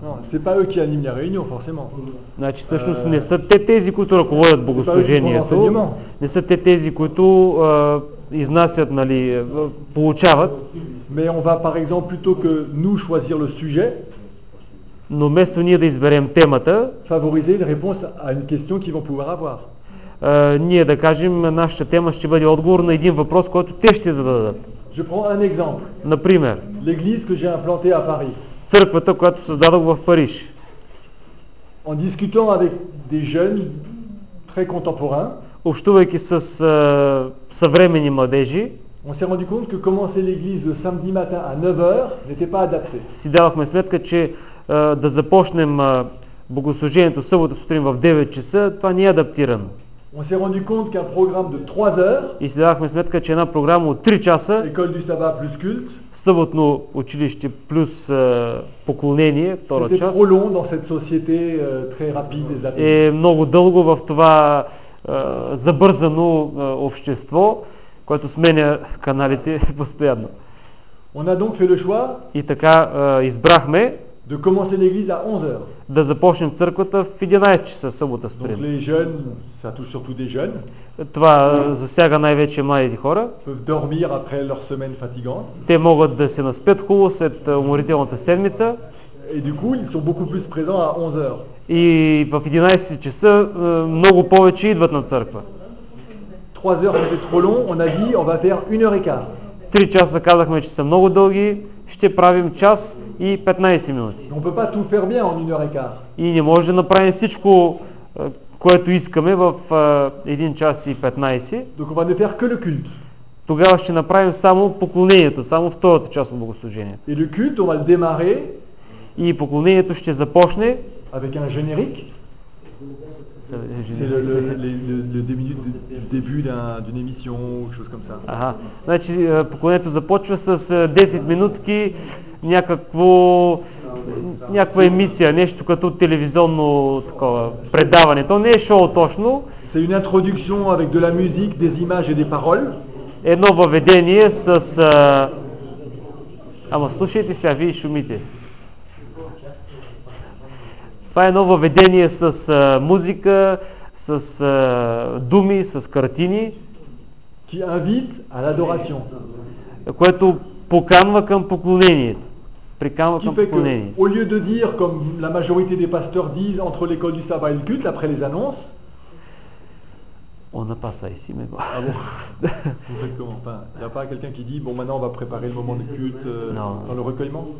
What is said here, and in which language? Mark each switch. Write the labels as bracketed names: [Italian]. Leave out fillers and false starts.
[French] Non, ce n'est pas eux qui animent les réunions, forcément. [Bulgarian] Значи, всъщност, не са те тези, които ръководят богослужението. Не са те тези, които изнасят, нали, получават. [French] Mais on va, par exemple, plutôt que nous choisir le sujet, [Bulgarian] но вместо ние да изберем темата, [French] favoriser une réponse à une question qu'ils vont pouvoir avoir. [Bulgarian] Ние да кажем, нашата тема ще бъде отговор на един въпрос, който те ще зададат. [French] Je prends un exemple. [Bulgarian] Например, [French] l'église que j'ai implantée à Paris. [Bulgarian] Църквата, която създадох в Париж. [French] En discutant avec des jeunes très contemporains, [Bulgarian] общувайки с съвременни младежи, [French] on s'est rendu compte que commencer l'église le samedi matin à 9h n'était pas adapté. [Bulgarian] Си давахме сметка, че да започнем богослужението събота сутрин в 9 часа, това не е адаптирано. [French] On s'est rendu compte qu'un programme de 3 heures. [Bulgarian] И си давахме сметка, че една програма от 3 часа. [French] École du sabbat plus culte. [Bulgarian] Съботно училище плюс поклонение, втора час. [French] C'était trop long dans cette société très rapide des années. [Bulgarian] Е много дълго в това забързано общество, което сменя каналите постоянно. [French] On a donc fait le choix. [Bulgarian] И така избрахме [French] de commencer l'église à 11h. [Bulgarian] Да започнем църквата в 11 часа събота сутрин. [French] Donc les jeunes, ça touche surtout des jeunes. [Bulgarian] Това засяга най-вече младите хора. [French] Peuvent dormir après leur semaine fatigante. [Bulgarian] Те могат да се наспят хубаво след уморителната седмица. [French] Et du coup, ils sont beaucoup plus présents à 11h. [Bulgarian] И в 11 часа много повече идват на църква. [French] 3h c'était trop long, on a dit on va faire 1h et quart. [Bulgarian] 3 часа казахме, че са много дълги, ще правим час и 15 минути. [French] On peut pas tout faire bien en 1h et quart. [Bulgarian] И не може да направим всичко, което искаме в 1 час и 15. [French] Donc on va ne faire que le culte. [Bulgarian] Тогава ще направим само поклонението, само втората част от богослужението. [French] Et le culte, on va le démarrer. [Bulgarian] И поклонението ще започне [French] avec un générique. C'est le début d'une émission, quelque chose comme ça. [Bulgarian] Ага. Значи, поклонението започва с 10 минутки някаква емисия, нещо като телевизионно такова предаване. То не е шоу точно. [French] C'est une introduction avec de la musique, des images et des paroles. [Bulgarian] Едно въведение с ама слушайте сега, вие шумите. Това е ново въведение с музика, с думи, с картини. [French] Qui invite à l'adoration. [Bulgarian] Което поканва към поклонението. Приканва към поклонение. [French] Au lieu de dire comme la majorité des pasteurs disent entre l'école du sabbat et le culte après les annonces. On n'a pas ça ici, mais bon. Ah bon. Vous faites comment? Enfin, il n'y a pas quelqu'un qui dit bon maintenant on va préparer le moment de culte dans le recueillement?